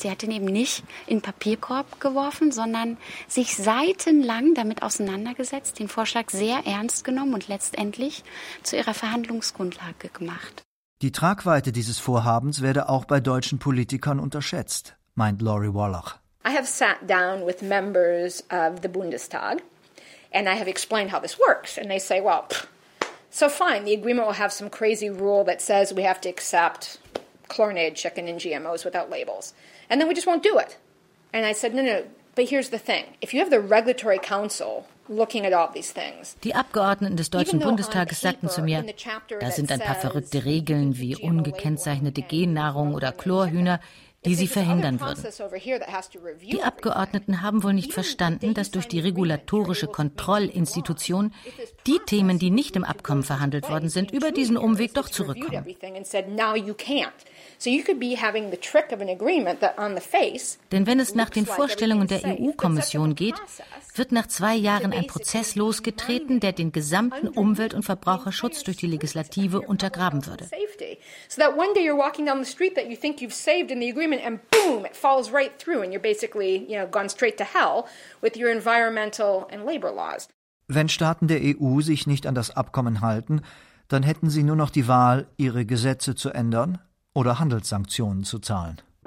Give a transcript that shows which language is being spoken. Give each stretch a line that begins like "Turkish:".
German: Sie hat ihn eben nicht in Papierkorb geworfen, sondern sich seitenlang damit auseinandergesetzt, den Vorschlag sehr ernst genommen und letztendlich zu ihrer Verhandlungsgrundlage gemacht. Die Tragweite dieses Vorhabens werde auch bei deutschen Politikern unterschätzt, meint Laurie Wallach.
English: I have sat down with members of the Bundestag and I have explained how this works and they say, well, so fine, the agreement will have some crazy rule that says we have to accept chlorinated chicken and GMOs without labels. And then we just won't do it. And I said, no, but here's the thing. If you have the regulatory council looking at all these things.
German: Die Abgeordneten des Deutschen Bundestages sagten zu mir, da sind ein paar verrückte Regeln wie ungekennzeichnete Gennahrung oder Chlorhühner, die sie verhindern würden. Die Abgeordneten haben wohl nicht verstanden, dass durch die regulatorische Kontrollinstitution die Themen, die nicht im Abkommen verhandelt worden sind, über diesen Umweg doch zurückkommen. Denn wenn es nach den Vorstellungen der EU-Kommission geht, wird nach 2 Jahren ein Prozess losgetreten, der den gesamten Umwelt- und Verbraucherschutz durch die Legislative untergraben würde.
English: So that one day you're walking down the street that you think you've saved in the agreement and boom, it falls right through and you're basically, you know, gone straight to hell with your environmental and labor laws.
German: Wenn Staaten der EU sich nicht an das Abkommen halten, dann hätten sie nur noch die Wahl, ihre Gesetze zu ändern oder Handelssanktionen zu zahlen.